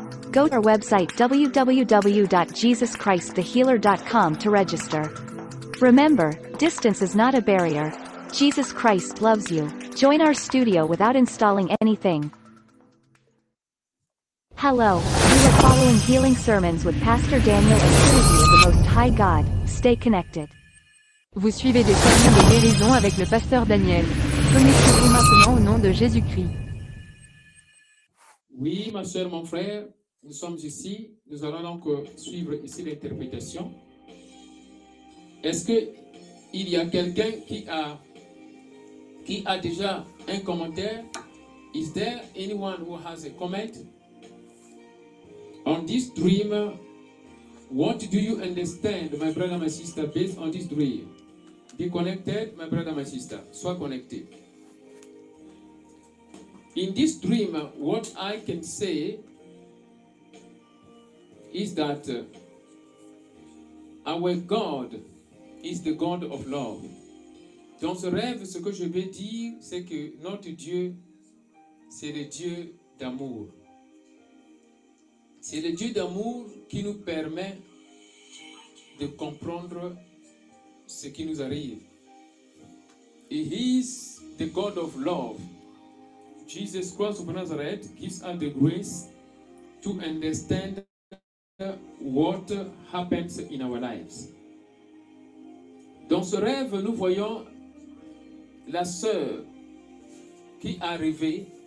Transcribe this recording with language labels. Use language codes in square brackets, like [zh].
[en] Go to our website www.jesuschristthehealer.com to register. Remember, distance is not a barrier. Jesus Christ loves you. Join our studio without installing anything. Hello, we are following healing sermons with Pastor Daniel and Trinity of the Most High God. Stay connected. [fr] Vous suivez des sermons de guérison avec le pasteur Daniel. Connectez-vous maintenant au nom de Jésus-Christ. Oui, ma soeur, mon frère, nous sommes ici. Nous allons donc suivre ici l'interprétation. Est-ce qu'il y a quelqu'un qui a déjà un commentaire? [en] Is there anyone who has a comment? On this dream, what do you understand, my brother, my sister, based on this dream? Be connected, my brother, my sister. [fr] Sois connecté. [en] In this dream, what I can say is that our God is the God of love. [fr] Dans ce rêve, ce que je vais dire, c'est que notre Dieu, c'est le Dieu d'amour. C'est le Dieu d'amour qui nous permet de comprendre ce qui nous arrive. [en] He is the God of love. Jesus Christ of Nazareth gives us the grace to understand what happens in our lives. [fr] Dans ce rêve, nous voyons la sœur qui arrivait.